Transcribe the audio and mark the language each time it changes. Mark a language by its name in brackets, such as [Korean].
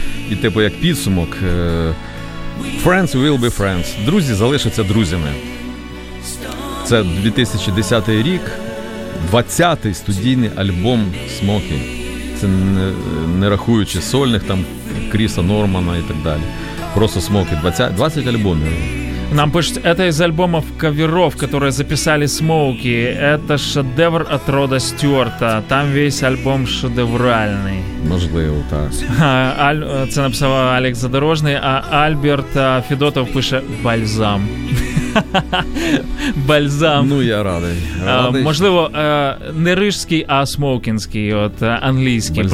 [Ukrainian] І типу як підсумок, [English] friends will be friends, [Ukrainian] друзі залишаться друзями. Це 2010 рік, 20-й студійний альбом Смоки. Це не рахуючи сольних, там Кріса Нормана і так далі. Просто Смоки, 20 альбомів. [Russian] Нам пишуть, это из альбомов каверов, которые записали Смоуки. Это шедевр от Рода Стюарта. Там весь альбом шедевральный. [Ukrainian] Можливо, так. Це написав Алекс Задорожний, а Альберт Федотов пише «Бальзам». Бальзам. Ну, я радий. Можливо, не рижський, а смокінський, от англійський,